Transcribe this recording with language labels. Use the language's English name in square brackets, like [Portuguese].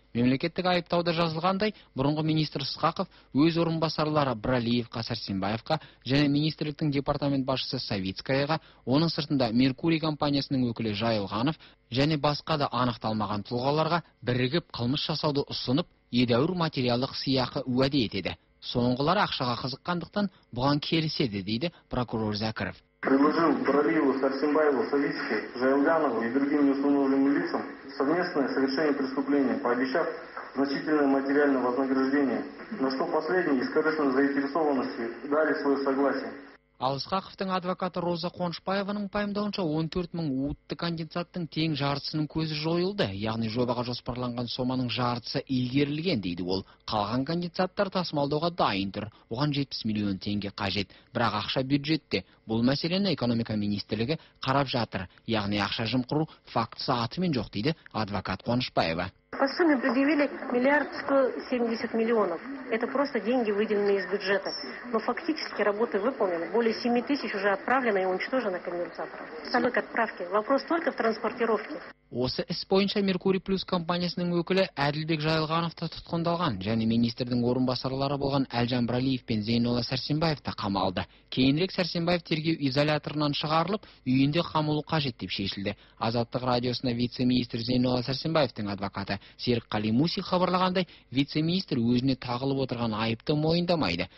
[Kazakh] Мемлекеттік айыптауда жазылғандай, бұрынғы министр Сықақов өз орынбасарлары Бралиев, Қасарсенбаевқа және министрліктің департамент басшысы Савицкаяға, оның сыртында Меркурий компаниясының өкілі Жайылғанов және басқа да анықталмаған тұлғаларға бірігіп қылмыс жасауды ұсынып, едәуір материалдық сыйақы уәде етеді. Соңғылары ақшаға қызыққандықтан бұған келіседі, дейді прокурор Зәкіров. [Russian] Предложил Бралиеву, Сарсенбаеву, Савицкой, Жайлганову и другим неустановленным лицам совместное совершение преступления, пообещав значительное материальное вознаграждение, на что последние из корыстной заинтересованности дали свое согласие. [Kazakh] Ал Ысқақовтың адвокаты Роза Қуанышбаеваның пайымдауынша 14 мың уытты конденсаттың тең жартысының көзі жойылды, яғни жобаға жоспарланған соманың жартысы игерілген, дейді ол. Қалған конденсаттар тасымалдауға дайын тұр, оған 70 миллион теңге қажет, бірақ ақша бюджетте. Бұл мәселені экономика министрлігі қарап жатыр, яғни ақша жымқыру фактісі атымен жоқ, дейді адвокат Қуанышбаева. [Russian] По сумме предъявили 1 170 000 000. Это просто деньги, выделенные из бюджета. Но фактически работы выполнены. Более 7 000 уже отправлено и уничтожено конденсатором. Самое к отправке. Вопрос только в транспортировке. [Kazakh] Осы іс бойынша Меркурий Плюс компаниясының өкілі Әділбек Жайылғанов та тұтқындалған, және министрдің орынбасарлары болған Әлжан Бралиев пен Зейнола Сәрсенбаев та қамалды. Кейінірек Сәрсенбаев тергеу изоляторынан шығарылып, үйінде қамалу қажет деп шешілді. Азаттық радиосына вице-министр Зейнола Сәрсенбаевтің адвокаты Серік Қалимусин хабарлағандай, вице-министр өзіне тағылып отырған айыпты мойындамайды.